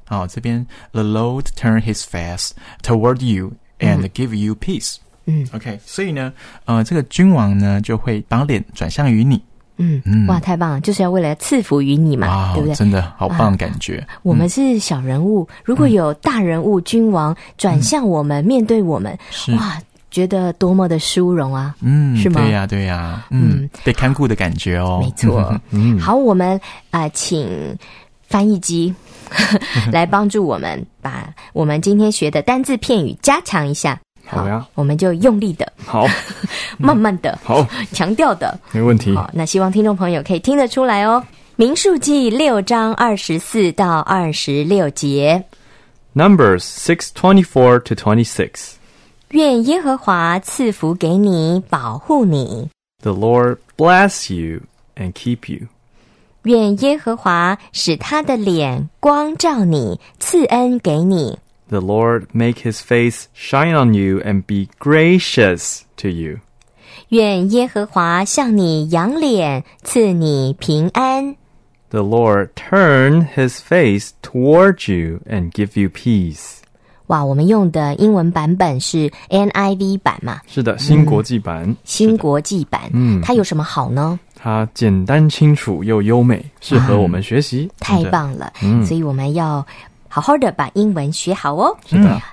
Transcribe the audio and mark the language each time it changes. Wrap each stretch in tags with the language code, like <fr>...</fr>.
<en>好，这边 the Lord turn his face toward you and give you peace.</en> <zh>OK, 所以呢，这个君王呢就会把脸转向于你。哇，太棒了，就是要为了赐福于你嘛，对不对？真的好棒的感觉。我们是小人物，如果有大人物君王转向我们，面对我们，哇，觉得多么的殊荣啊。是吗？对呀，对呀。被看顾的感觉哦。没错。好，我们请翻译机来帮助我们把我们今天学的单字片语加强一下。好呀，我们就用力的，好，慢慢的，好，强调的，没问题。好，那希望听众朋友可以听得出来哦。民数记六章二十四到二十六节</zh> <en>，Numbers 6:24-26。</en> <zh>愿耶和华赐福给你，保护你。</zh> <en>The Lord bless you and keep you。</en> <zh>愿耶和华使他的脸光照你，赐恩给你。</zh> <en>The Lord make his face shine on you and be gracious to you.</en> <zh>愿耶和华向你扬脸，赐你平安。</zh> <en>The Lord turn his face toward you and give you peace.</en> <zh>哇，我们用的英文版本是 NIV 版嘛？是的，新国际版。新国际版，它有什么好呢？它简单清楚又优美，适合我们学习。太棒了，所以我们要好好的把英文学好哦。是的。</zh>